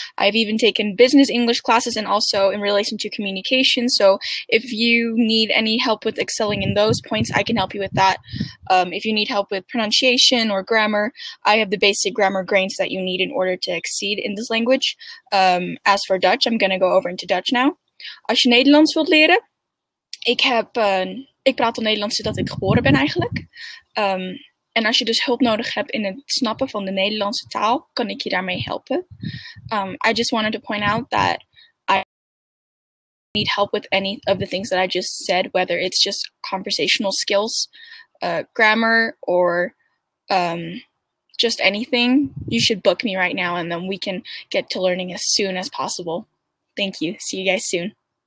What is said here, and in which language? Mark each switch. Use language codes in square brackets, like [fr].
[en] I've even taken business English classes and also in relation to communication, so if you need any help with excelling in those points, I can help you with that. If you need help with pronunciation or grammar, I have the basic grammar grains that you need in order to exceed in this language. As for Dutch, I'm gonna go over into Dutch now. [nl] Als je Nederlands wilt leren, ik praat al Nederlands sinds dat ik geboren ben eigenlijk. En als je dus hulp nodig hebt in het snappen van de Nederlandse taal, kan ik je daarmee helpen. [en] I just wanted to point out that I need help with any of the things that I just said, whether it's just conversational skills, grammar, or just anything. You should book me right now, and then we can get to learning as soon as possible. Thank you. See you guys soon.